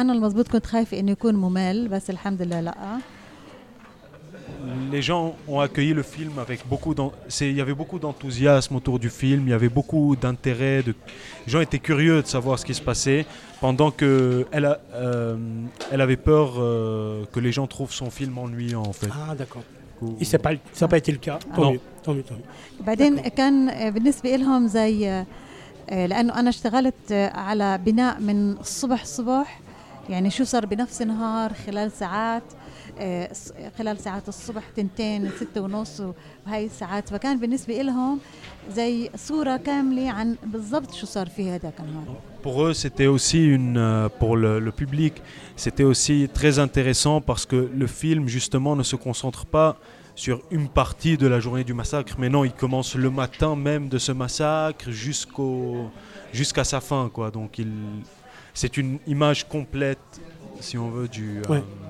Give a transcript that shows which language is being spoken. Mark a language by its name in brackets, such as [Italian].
[Arabic] أنا المضبوط كنت خايفة إنه يكون ممل بس الحمد لله لأ. [French] Les gens ont accueilli le film avec beaucoup d'enthousiasme. Il y avait beaucoup d'enthousiasme autour du film. Il y avait beaucoup d'intérêt. Les gens étaient curieux de savoir ce qui se passait. Pendant que elle avait peur que les gens trouvent son film ennuyant, en fait. Ah d'accord. Et c'est pas ça n'a pas été le cas. Tant mieux. [Arabic] بعدين كان بالنسبة إلهم زي لأنه أنا اشتغلت على بناء من الصبح يعني شو صار بنفس النهار خلال ساعات. خلال ساعات الصبح 2:30 وهي الساعات فكان بالنسبة لهم زي صورة كاملة عن بالضبط شو صار فيها هذا النهار. [French] Pour eux c'était aussi une pour le public c'était aussi très intéressant parce que le film justement ne se concentre pas sur une partie de la journée du massacre mais non il commence le matin même de ce massacre jusqu'à sa fin quoi donc c'est une image complète si on veut du ouais.